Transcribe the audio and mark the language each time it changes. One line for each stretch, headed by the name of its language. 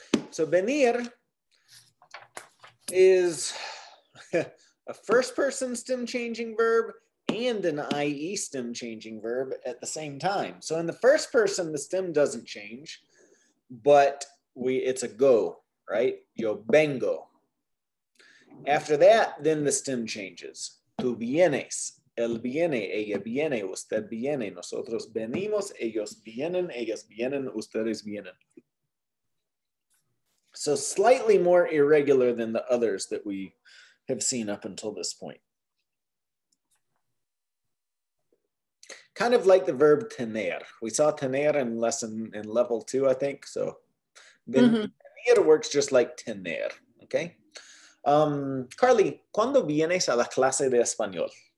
English: So venir is a first person stem changing verb and an IE stem changing verb at the same time. So in the first person, the stem doesn't change, but it's a go, right?
Spanish: Yo vengo.
English: After that, then the stem changes.
Spanish: Tú vienes, él viene, ella viene, usted viene, nosotros venimos, ellos vienen, ellas vienen, ustedes vienen.
English: So slightly more irregular than the others that we have seen up until this point. Kind of like the verb tener. We saw tener in level two, I think. So tener works just like tener, okay?
Spanish: Carly, ¿cuándo vienes a la clase de español?